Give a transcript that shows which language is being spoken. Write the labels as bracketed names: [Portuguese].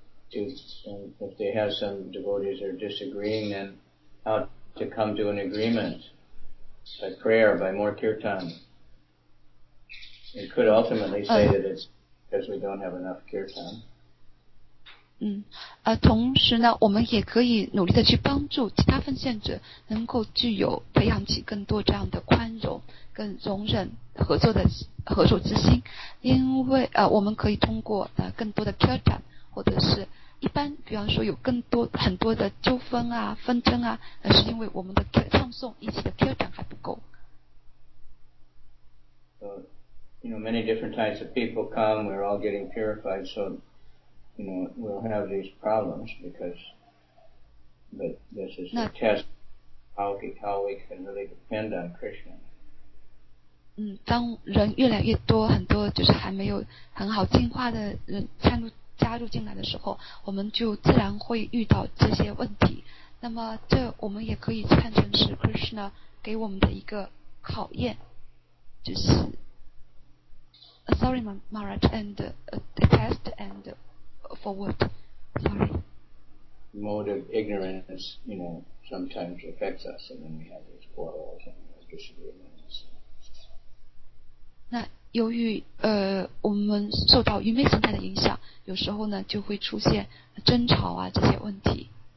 [English] If they have some devotees are disagreeing, then how to come to an agreement by prayer, by more kirtan. It could ultimately say that it's because we don't have enough kirtan. [Chinese] 同时呢，我们也可以努力的去帮助其他奉献者，能够具有培养起更多这样的宽容、跟容忍、合作之心。因为我们可以通过更多的 kirtan， 或者是一般，比方说有更多很多的纠纷啊、纷争啊，是因为我们的唱诵以及的 kirtan 还不够。 [English] You know, many different types of people come, we're all getting purified, so, you know, we'll have these problems but this is a test how we can really depend on Krishna. [Chinese] 当人越来越多，很多就是还没有很好进化的人加入进来的时候，我们就自然会遇到这些问题。那么这我们也可以看成是 Krishna 给我们的一个考验，就是 [English] Sorry, Maharaj, and the test and for what? Sorry. Mode of ignorance, you know, sometimes affects us, and then we have these quarrels and disagreements. [Chinese] 那由于我们受到愚昧心态的影响，有时候呢就会出现争吵啊这些问题。